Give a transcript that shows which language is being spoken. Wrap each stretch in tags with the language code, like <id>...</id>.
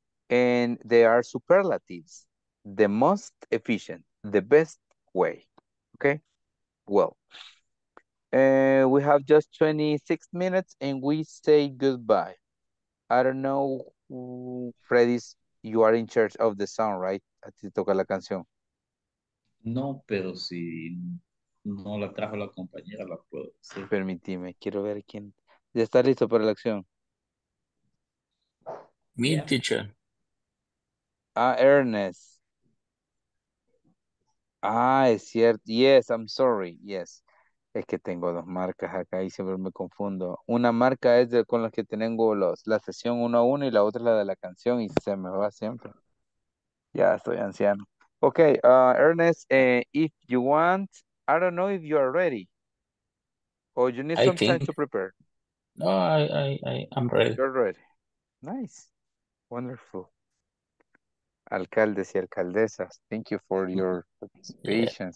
<en>And they are superlatives. The most efficient, the best way. Okay. Well, We have just 26 minutes and we say goodbye. I don't know, Freddy's, you are in charge of the song, right?</en> <es>A ti toca la canción. No, pero si no la trajo la compañera, la puedo decir. Permíteme, quiero ver quién. ¿Ya está listo para la acción?</es> <en>Me, yeah. Teacher. Ah, Ernest. Ah,</en> <es>es cierto.</es> <en>Yes, I'm sorry. Yes.</en> <es>Es que tengo dos marcas acá y siempre me confundo. Una marca es de, con la que tengo los, la sesión 1-1 y la otra es la de la canción y se me va siempre. Ya, estoy anciano.</es> <en>Okay, Ernest, if you want, I don't know if you are ready. Or you need some time to prepare. No, I'm ready. You're ready. Nice. Wonderful.</en> <es>Alcaldes y alcaldesas,</es> <en>thank you for your participation.</en>